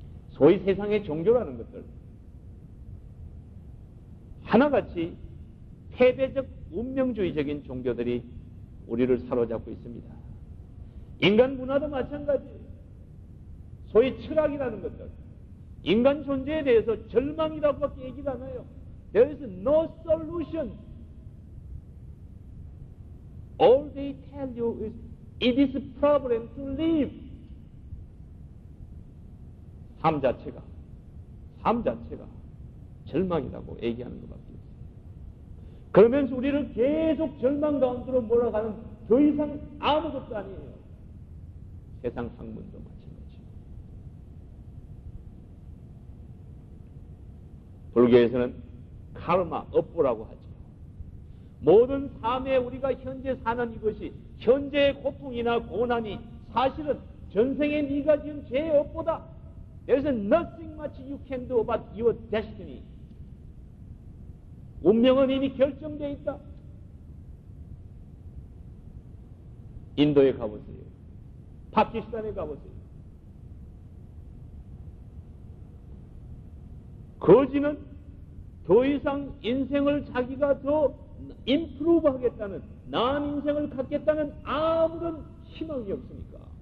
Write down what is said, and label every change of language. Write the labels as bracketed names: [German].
[Korean] 소위 세상의 종교라는 것들 하나같이 패배적 운명주의적인 종교들이 우리를 사로잡고 있습니다. 인간 문화도 마찬가지. 소위 철학이라는 것들. 인간 존재에 대해서 절망이라고 밖에 얘기를 안 해요. [English] There is no solution. All they tell you is it is a problem to live. [Korean] 삶 자체가 절망이라고 얘기하는 것 같아요. 그러면서 우리를 계속 절망 가운데로 몰아가는 더 이상 아무것도 아니에요. 세상 학문도 마찬가지. 불교에서는 카르마 업보라고 하죠. 모든 삶에 우리가 현재 사는 이것이 현재의 고통이나 고난이 사실은 전생에 네가 지은 죄의 업보다. [English] There is nothing much you can do about your destiny. [Korean] 운명은 이미 결정되어 있다. 인도에 가보세요. 파키스탄에 가보세요. 거지는 더 이상 인생을 자기가 더 임프루브 하겠다는, 나은 인생을 갖겠다는 아무런 희망이 없으니까.